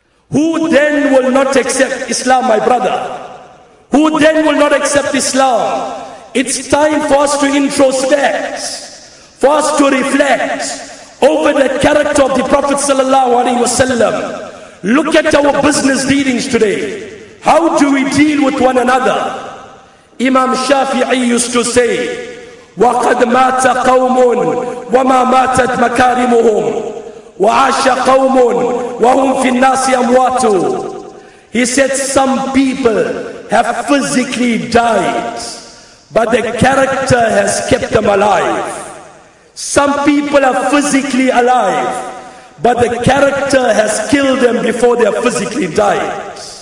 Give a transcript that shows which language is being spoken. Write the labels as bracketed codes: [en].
[en] Who then will not accept Islam, my brother? Who then will not accept Islam? It's time for us to introspect, for us to reflect over the character of the Prophet sallallahu alaihi wasallam. Look at our business dealings today. How do we deal with one another? Imam Shafi'i used to say, [ar] وَقَدْ مَاتَ قَوْمٌ وَمَا مَاتَتْ مَكَارِمُهُمْ وَعَاشَ قَوْمٌ وَهُمْ فِي النَّاسِ أَمْوَاتُ. [en] He said, some people have physically died, but their character has kept them alive. Some people are physically alive, but the character has killed them before they are physically died.